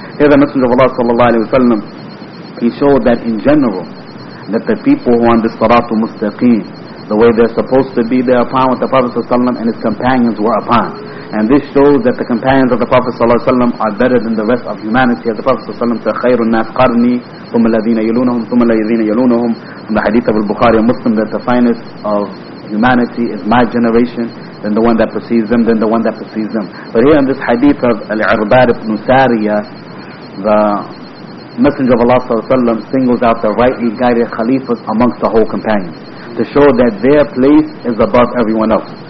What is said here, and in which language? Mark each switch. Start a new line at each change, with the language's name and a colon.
English: Here the Messenger of Allah ﷺ, he showed that in general, that the people who are on the Siratul Mustaqeem, the way they're supposed to be, they're upon what the Prophet ﷺ and his companions were upon. And this shows that the companions of the Prophet ﷺ are better than the rest of humanity. As the Prophet ﷺ said,
Arabic: خَيْرُ النَّاسِ قَرْنِي ثُمَّ الَّذِينَ يَلُونَهُمْ ثُمَّ الَّذِينَ يَلُونَهُمْ.
English: From the hadith of Al-Bukhari and Muslim, that the finest of humanity is my generation, then the one that precedes them, then the one that precedes them. But here in this hadith of Al-Irbad ibn Sariyah, the Messenger of Allah ﷺ singles out the rightly guided khalifas amongst the whole companions to show that their place is above everyone else.